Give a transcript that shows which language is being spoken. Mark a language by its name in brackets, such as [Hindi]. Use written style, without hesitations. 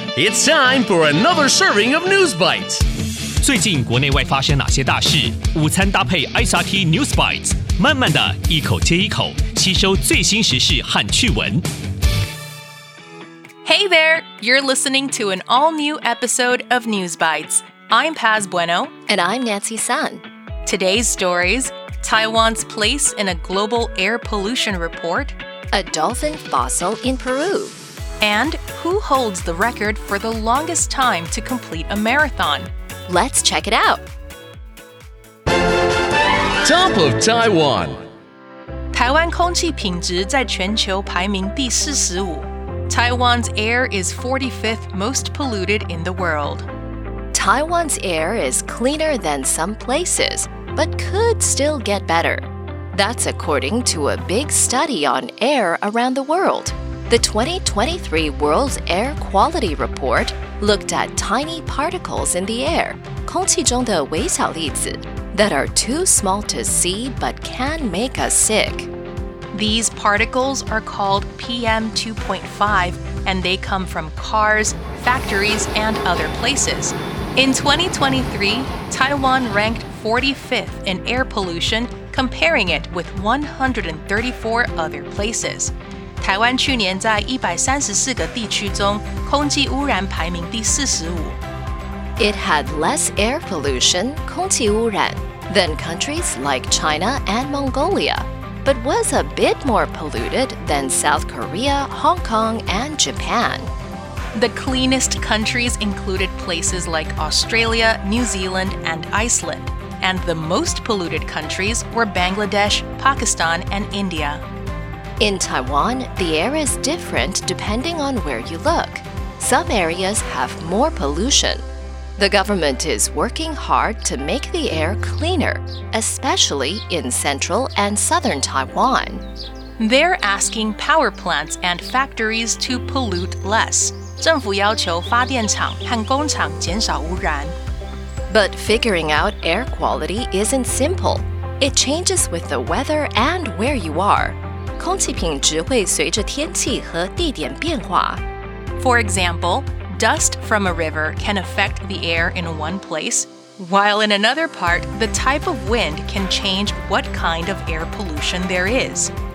[English] It's time for another serving of News Bites. [Chinese] 最近国内外发生哪些大事？午餐搭配 SRT News Bites， 慢慢的一口接一口，吸收最新时事和趣闻。 [English] Hey there, you're listening to an all-new episode of News Bites. I'm Paz Bueno. And I'm Nancy Sun. Today's stories, Taiwan's place in a global air pollution report, a dolphin fossil in Peru, and who holds the record for the longest time to complete a marathon? Let's check it out. Top of Taiwan. [Chinese] 台湾空气品质在全球排名第45。 [English] Taiwan's air is 45th most polluted in the world. Taiwan's air is cleaner than some places, but could still get better. That's according to a big study on air around the world. The 2023 World Air Quality Report looked at tiny particles in the air, [Chinese] 空气中的微小粒子, [English] that are too small to see but can make us sick. These particles are called PM2.5, and they come from cars, factories, and other places. In 2023, Taiwan ranked 45th in air pollution, comparing it with 134 other places. [Chinese] 台湾去年在134个地区中空气污染排名第45。 [English] It had less air pollution, [Chinese] 空气污染, [English] than countries like China and Mongolia. But was a bit more polluted than South Korea, Hong Kong, and Japan. The cleanest countries included places like Australia, New Zealand, and Iceland. And the most polluted countries were Bangladesh, Pakistan, and India. In Taiwan, the air is different depending on where you look. Some areas have more pollution. The government is working hard to make the air cleaner, especially in central and southern Taiwan. They're asking power plants and factories to pollute less. [Chinese] 政府要求发电厂和工厂减少污染。 [English] But figuring out air quality isn't simple. It changes with the weather and where you are. [Chinese] 空气品质会随着天气和地点变化。 [English] For example,Dust from a river can affect the air in one place, while in another part, the type of wind can change what kind of air pollution there is.